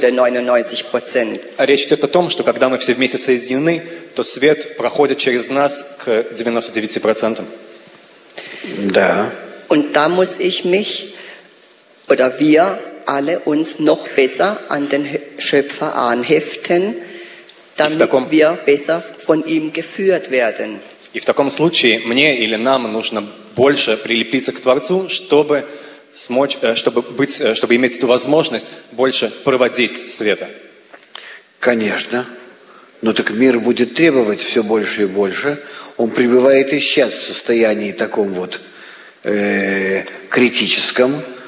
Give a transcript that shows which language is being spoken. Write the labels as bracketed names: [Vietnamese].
[Russian] Речь идет о том, что когда мы все вместе соединены, то свет проходит через нас к 99%. Да. [German] Und da muss ich mich oder wir alle uns noch besser an den Schöpfer anheften, damit wir besser von ihm geführt werden. [Russian] И в таком случае мне или нам нужно больше прилепиться к Творцу, чтобы смочь, чтобы иметь эту возможность больше проводить света. Конечно. Но так мир будет требовать все больше и больше. Он пребывает и сейчас в состоянии таком вот критическом.